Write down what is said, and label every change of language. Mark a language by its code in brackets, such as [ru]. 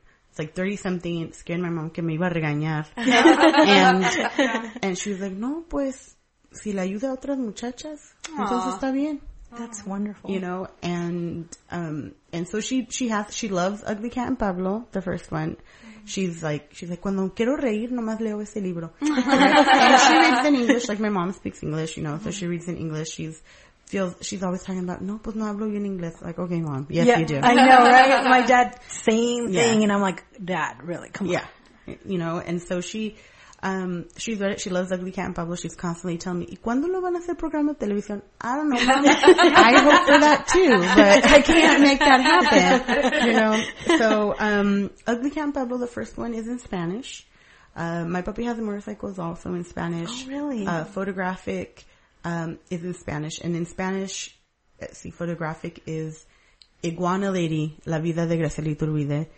[en] It's like 30-something, scared my mom [es] que me iba a regañar. [en] And she was like, [es] no, pues, si le ayuda a otras muchachas, entonces está bien. [en] That's wonderful. You know, and so she loves Ugly Cat and Pablo, the first one. She's like, [es] cuando quiero reír, nomás leo ese libro. [en] And she reads in English, like my mom speaks English, you know, so she reads in English. She's always talking about, [es] no, pues no hablo yo en inglés. [en] Like, okay, mom, yes, you do. I know, right? My dad, same thing, and I'm like, dad, really, come on. Yeah, you know, and so she's read it. She loves Ugly Cat and Pablo. She's constantly telling me, [es] ¿Y cuándo lo van a hacer programa de televisión? [en] I don't know. Mom. I hope for that too, but I can't make that happen, you know. So, Ugly Cat and Pablo, the first one is in Spanish. My Puppy Has a Motorcycle is also in Spanish. Oh, really? Photographic, is in Spanish. And in Spanish, let's see, Photographic is Iguana Lady, La Vida de Graciela Iturbide.